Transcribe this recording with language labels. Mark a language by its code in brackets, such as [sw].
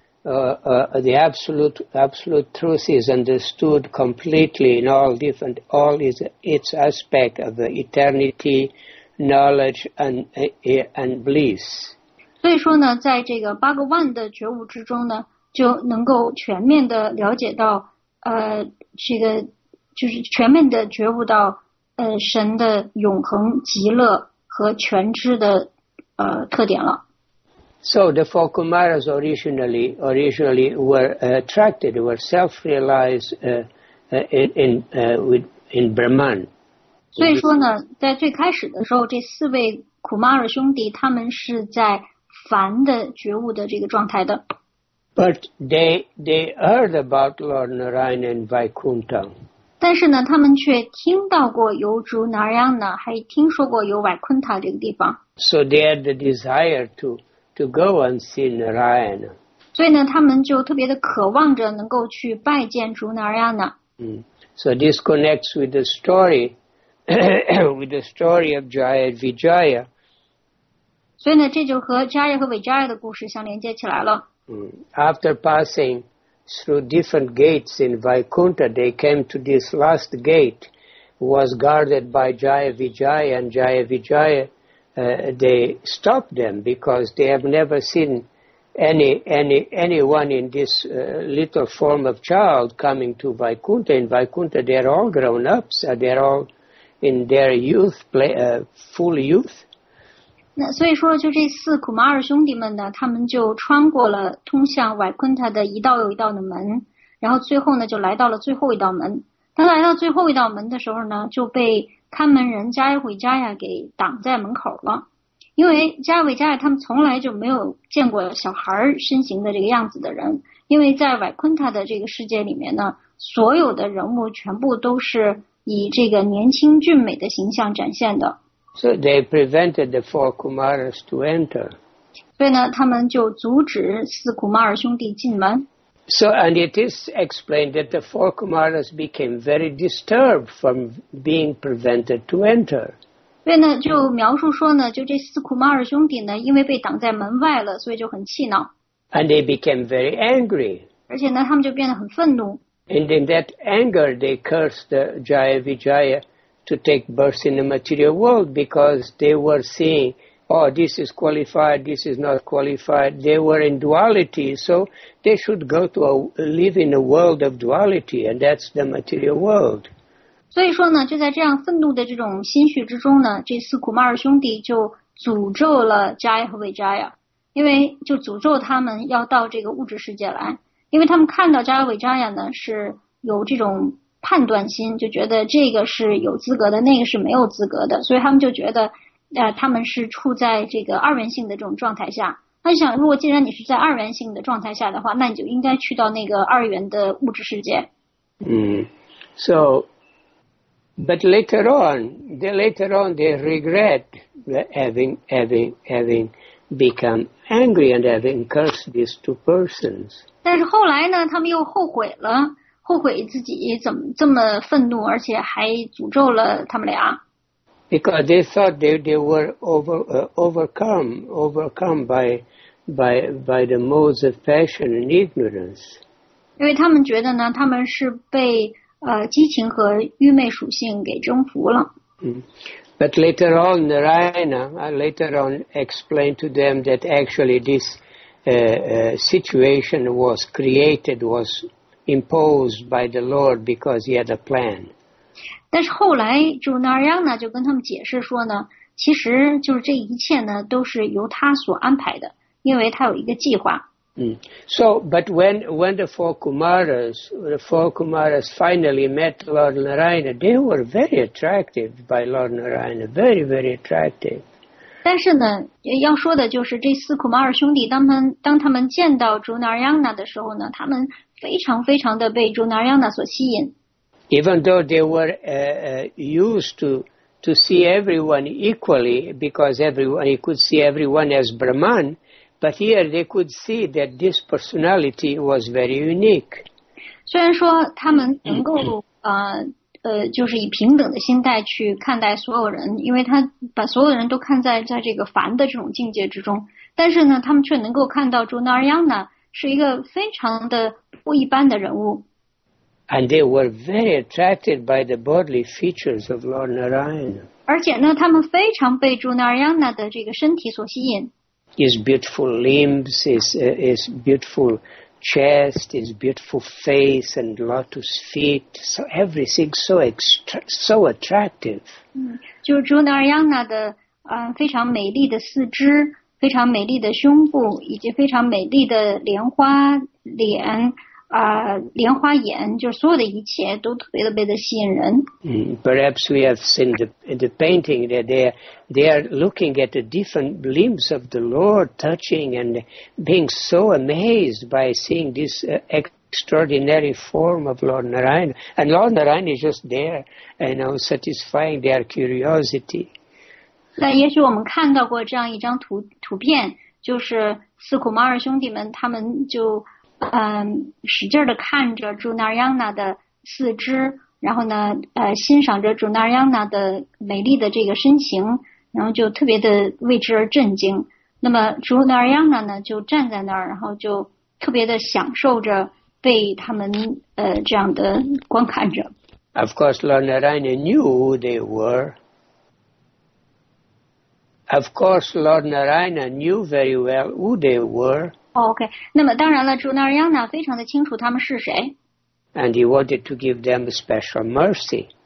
[en] the absolute truth is understood completely in all its aspect of the eternity, knowledge and bliss. [zh] 所以说呢，在这个八个万的觉悟之中呢，就能够全面的了解到，这个就是全面的觉悟到，神的永恒极乐和全知的特点了。 [en] So the four Kumaras originally were attracted, were self-realized in Brahman. [zh] 所以说呢，在最开始的时候，这四位 Kumara 兄弟他们是在凡的觉悟的这个状态的。 [en] But they heard about Lord Narayana and Vaikuntha. [zh] 但是呢，他们却听到过有主 Narayana， 还听说过有 Vaikuntha 这个地方。 [en] So they had the desire to go and see Narayana. [zh] 所以呢，他们就特别的渴望着能够去拜见主 Narayana。 [en] So this connects with the story, with the story of Jaya Vijaya. [zh] 所以呢，这就和 Jaya 和 Vijaya 的故事相连接起来了。 [en] After passing through different gates in Vaikuntha, they came to this last gate, was guarded by Jaya Vijaya, and Jaya Vijaya, they stopped them because they have never seen anyone in this little form of child coming to Vaikuntha. In Vaikuntha, they are all grown ups, they are all in their youth, full youth. [zh] 那所以说就这四苦马尔兄弟们呢，他们就穿过了通向瓦昆塔的一道又一道的门，然后最后呢就来到了最后一道门。当来到最后一道门的时候呢，就被看门人加耶维加亚给挡在门口了，因为加耶维加亚他们从来就没有见过小孩身形的这个样子的人，因为在瓦昆塔的这个世界里面呢，所有的人物全部都是以这个年轻俊美的形象展现的。 [en] So they prevented the four Kumaras to enter. [zh] 所以呢，他们就阻止四苦马尔兄弟进门。 [en] So and it is explained that the four Kumaras became very disturbed from being prevented to enter. [zh] 所以呢，就描述说呢，就这四苦马尔兄弟呢，因为被挡在门外了，所以就很气恼。 [en] And they became very angry. [zh] 而且呢，他们就变得很愤怒。 [en] And in that anger, they cursed Jaya Vijaya. To take birth in the material world because they were seeing, oh, this is qualified, this is not qualified. They were in duality, so they should go to live in a world of duality, and that's the material world. [zh] 所以说呢，就在这样愤怒的这种心绪之中呢，这四苦马尔兄弟就诅咒了加耶和维加亚，因为就诅咒他们要到这个物质世界来，因为他们看到加耶和维加亚呢是有这种。判断心就觉得这个是有资格的，那个是没有资格的，所以他们就觉得，他们是处在这个二元性的这种状态下。他就想，如果既然你是在二元性的状态下的话，那你就应该去到那个二元的物质世界。 [en] So, but later on, they regret having become angry and having cursed these two persons. [zh] 但是后来呢，他们又后悔了。后悔自己怎么这么愤怒，而且还诅咒了他们俩。 [en] Because they thought they were overcome by the modes of passion and ignorance. [zh] 因为他们觉得呢，他们是被激情和愚昧属性给征服了。 [en] But later on, Narayana later on explained to them that actually this situation was imposed by the Lord because he had a plan. [zh] 但是后来主 Narayana 就跟他们解释说呢，其实就是这一切呢都是由他所安排的，因为他有一个计划。 [en] So, but when the four Kumaras finally met Lord Narayana, they were very attractive by Lord Narayana, very, very attractive. [zh] 但是呢，要说的就是这四库马尔兄弟，当他们见到主 Narayana 的时候呢，他们非常非常的被朱纳扬娜所吸引。 [en] Even though they were used to see everyone equally, because everyone he could see everyone as Brahman, but here they could see that this personality was very unique. [zh] 虽然说他们能够就是以平等的心态去看待所有人，因为他把所有人都看在这个凡的这种境界之中，但是呢，他们却能够看到朱纳扬娜。是一个非常的不一般的人物。 [en] And they were very attracted by the bodily features of Lord Narayana. [zh] 而且呢，他们非常被住 Narayana 的这个身体所吸引。 [en] His beautiful limbs, his beautiful chest, his beautiful face and lotus feet. So everything so attractive. [zh] 就是住 Narayana 的、非常美丽的四肢，非常美丽的胸部，以及非常美丽的莲花脸。莲花眼，就是所有的一切都特别特别的吸引人。 [en] Perhaps we have seen the painting that they are looking at the different limbs of the Lord touching and being so amazed by seeing this extraordinary form of Lord Narayana. And Lord Narayana is just there, you know, satisfying their curiosity. [zh] 那也许我们看到过这样一张图片，就是四苦猫二兄弟们，他们就。使劲地看着朱纳亚娜的四肢，然后呢，欣赏着朱纳亚娜的美丽的这个身形，然后就特别的为之而震惊。那么朱纳亚娜呢，就站在那儿，然后就特别的享受着被他们这样的观看着。 [en] Of course, Lord Narayana knew who they were. Of course, Lord Narayana knew very well who they were. [zh] OK, 那么当然了朱纳亚娜非常的清楚他们是谁。 [en] And he wanted to give them a special mercy.